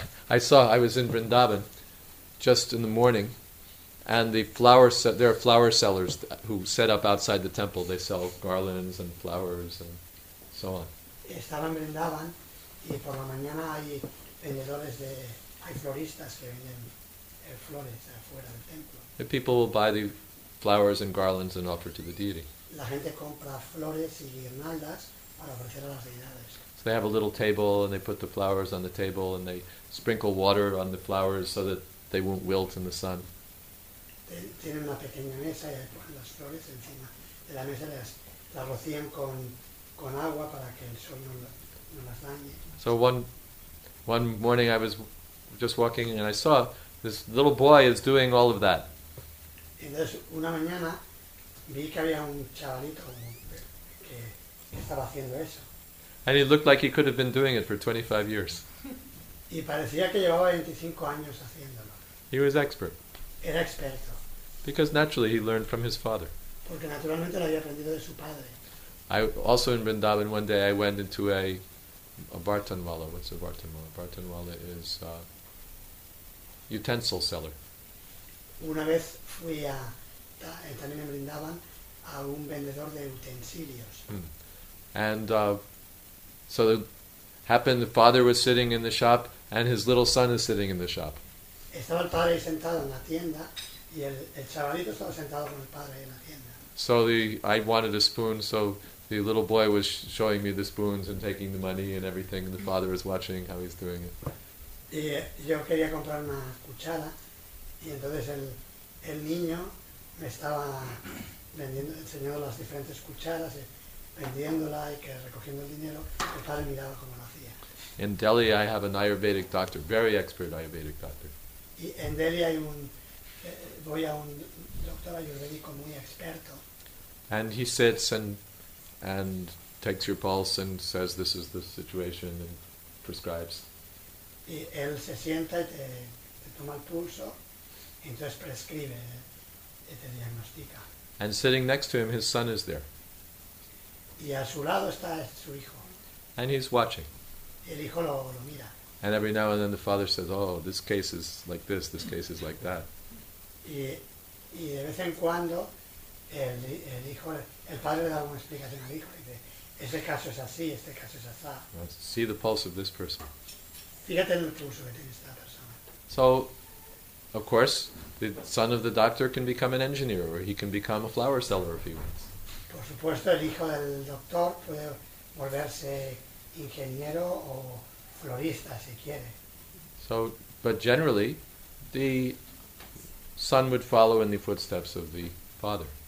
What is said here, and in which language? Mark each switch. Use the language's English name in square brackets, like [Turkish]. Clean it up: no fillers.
[English] I was in Vrindavan just in the morning, and there are flower sellers who set up outside the temple. They sell garlands and flowers and so on. [Spanish] Estaba en Vrindavan y por la mañana hay vendedores hay floristas que venden flores afuera del templo. [English] The people will buy the flowers and garlands and offer to the deity. [Spanish] La gente compra flores y guirnaldas para ofrecer a las deidades. [English] So they have a little table and they put the flowers on the table and they sprinkle water on the flowers so that they won't wilt in the sun. [Spanish] Tienen una pequeña mesa y ponen las flores encima de la mesa, las rocían con agua para que el sol no las dañe. [English] So one morning I was just walking and I saw this little boy is doing all of that. [Spanish] Entonces una mañana vi que había un chavalito que estaba haciendo eso. [English] And he looked like he could have been doing it for 25 years. [Spanish] Y parecía que llevaba 25 años haciéndolo. [English] He was expert. [Spanish] Era experto. [English] Because naturally he learned from his father. [Spanish] Porque naturalmente lo había aprendido de su padre. [English] I also in Vrindavan one day I went into a a bartanwala. What's a bartanwala? Bartanwala is a utensil seller. [Spanish] Una vez fui a, también me brindaban a un vendedor de utensilios. [English] And so it happened, the father was sitting in the shop and his little son is sitting in the shop. [Spanish] Estaba el padre sentado en la tienda y el chavalito estaba sentado con el padre en la tienda. [English] So I wanted a spoon, so the little boy was showing me the spoons and taking the money and everything, and the father was watching how he's doing it. [Spanish] Y yo quería comprar una cuchara, y entonces el niño me estaba vendiendo, enseñando las diferentes cucharas, vendiéndola y que recogiendo el dinero, el padre miraba cómo lo hacía. [English] In Delhi I have an Ayurvedic doctor, very expert Ayurvedic doctor. [Spanish] Y en Delhi hay un, voy a un doctor ayurvédico muy experto. [English] And he sits and takes your pulse and says this is the situation and prescribes. [Spanish] Y él se sienta y te toma el pulso y entonces prescribe y te diagnostica. [English] And sitting next to him, his son is there. [Spanish] Y a su lado está su hijo. [English] And he's watching. [Spanish] El hijo lo mira. [English] And every now and then the father says, oh, this case is like this, this case is like that. [Spanish] Y de vez en cuando el hijo, el padre le da una explicación al hijo y dice, ese caso es así, este caso es así. [English] Let's see the pulse of this person. [Spanish] Fíjate en el pulso que tiene esta persona. [English] So, of course, the son of the doctor can become an engineer or he can become a flower seller if he wants. [Spanish] Por supuesto, el hijo del doctor puede volverse ingeniero o florista si quiere. [English] So, but generally, the son would follow in the footsteps of the father.